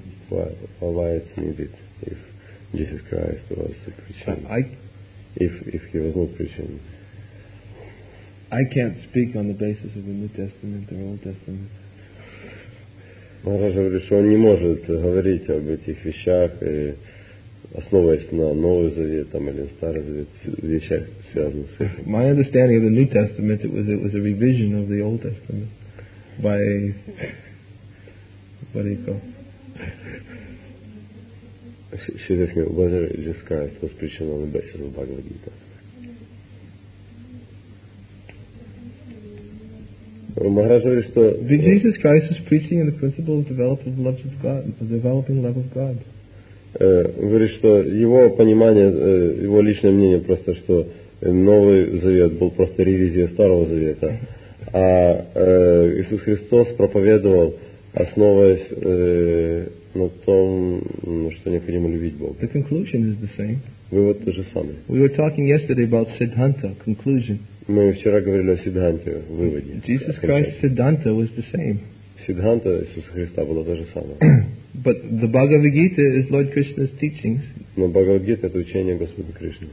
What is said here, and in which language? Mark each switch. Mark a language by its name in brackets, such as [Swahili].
[English] Why it's needed if Jesus Christ was preaching? If he was not preaching. I can't speak on the basis of the New Testament or Old Testament. [Russian] Махараджа говорит, что он не может говорить об этих вещах, основываясь на Новый Завет там, или Старый Завет, вещах, связанных с этим. [English] My understanding of the New Testament, it was a revision of the Old Testament by what do you call? She asked me whether Jesus Christ was preaching on the basis of Bhagavad Gita. Did Jesus Christ is preaching on the principle of developing love of God, the developing love of God. [Russian] Говорит, что его понимание, его личное мнение просто, что Новый Завет был просто ревизией Старого Завета, а Иисус Христос проповедовал, основываясь на том, что необходимо любить Бога. [English] The conclusion is the same. [Russian] Вывод тот же самый. [English] We were talking yesterday about Siddhanta, conclusion. [Russian] Мы вчера говорили о Сиддханте, выводе. [English] Jesus Christ's Siddhanta was the same. [Russian] Сиддханта Иисуса Христа была та же самая. [English] But the Bhagavad Gita is Lord Krishna's teachings. [Russian] Но Бхагавад Гита это учение Господа Кришны.